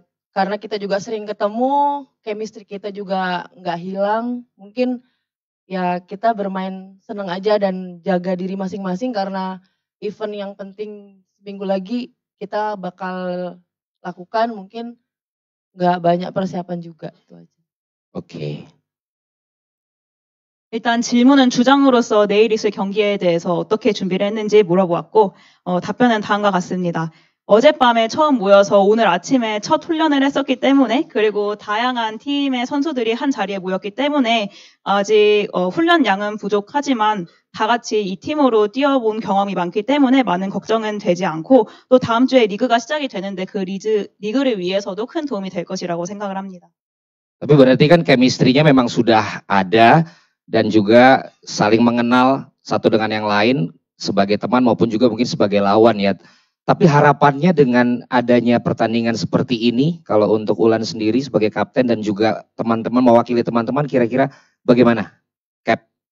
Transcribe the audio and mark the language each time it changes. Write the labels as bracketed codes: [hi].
[id] Karena kita juga sering ketemu, chemistry kita juga gak hilang. Mungkin ya kita bermain seneng aja dan jaga diri masing-masing karena event yang penting seminggu lagi kita bakal lakukan, mungkin gak banyak persiapan juga. Oke. Okay. [ko] 일단 질문은 주장으로서 내일 있을 경기에 대해서 어떻게 준비를 했는지 물어보았고 답변은 다음과 같습니다. 어젯밤에 처음 모여서 오늘 아침에 첫 훈련을 했었기 때문에 그리고 다양한 팀의 선수들이 한 자리에 모였기 때문에 아직 훈련량은 부족하지만 다 같이 이 팀으로 뛰어본 경험이 많기 때문에 많은 걱정은 되지 않고 또 다음 주에 리그가 시작이 되는데 그 리그를 위해서도 큰 도움이 될 것이라고 생각을 합니다. [id] 그 berarti kan chemistry-nya memang sudah ada dan juga saling mengenal satu dengan yang lain sebagai teman maupun juga mungkin sebagai lawan ya. Tapi harapannya dengan adanya pertandingan seperti ini, kalau untuk Ulan sendiri sebagai kapten dan juga teman-teman mewakili teman-teman, kira-kira bagaimana, Cap?